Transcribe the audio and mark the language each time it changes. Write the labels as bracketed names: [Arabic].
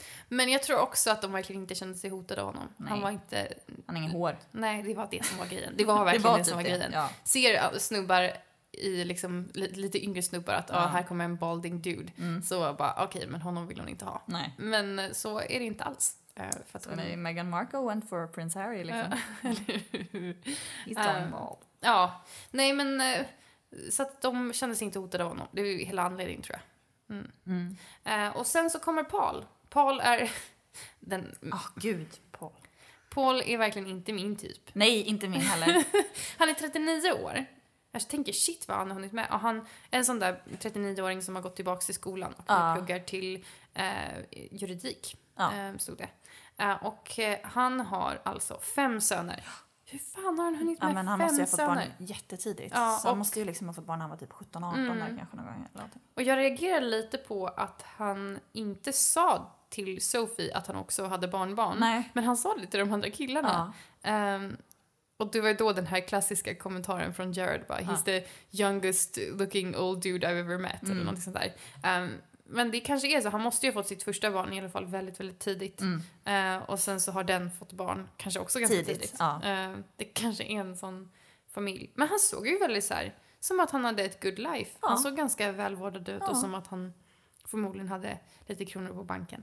[Swedish] Men jag tror också att de verkligen inte kände sig hotade av honom. Nej. Han var inte... Han har ingen hår. Nej, det var det som var grejen. Det var verkligen det som var grejen. Ja. Ser snubbar i liksom lite yngre snubbar att här kommer en [English] balding dude. [Swedish] Så bara, okej, men honom vill hon inte ha. Nej. Men så är det inte alls. För att så hon... [English] Meghan Markle went for Prince Harry liksom. He's going bald. [Swedish] Ja, nej men så att de kände sig inte hotade av honom. Det är ju hela anledningen tror jag. Och sen så kommer Paul. Paul är den... Gud, Paul. Paul är verkligen inte min typ. Nej, inte min heller. Han är 39 år. Jag tänker, shit vad han har hunnit med. Och han är en sån där 39-åring som har gått tillbaka till skolan och pluggar till juridik, stod det. Och han har alltså 5 söner. Hur fan har han hunnit med 5 söner? Han måste ju ha fått söner? Barn jättetidigt. Ja, så han måste ju liksom ha fått barn när han var typ 17-18 kanske någon gång. Och jag reagerar lite på att han inte sa till Sophie att han också hade barnbarn. Nej. Men han sa det till de andra killarna. Ja. Och det var då den här klassiska kommentaren från Jared. Bara, [English] he's the youngest looking old dude I've ever met. [Swedish] Eller någonting sånt där. Men det kanske är så. Han måste ju ha fått sitt första barn i alla fall väldigt, väldigt tidigt. Mm. Och sen så har den fått barn kanske också ganska tidigt. Ja. Det kanske är en sån familj. Men han såg ju väldigt så här, som att han hade ett good life. Ja. Han såg ganska välvårdad ut och som att han förmodligen hade lite kronor på banken.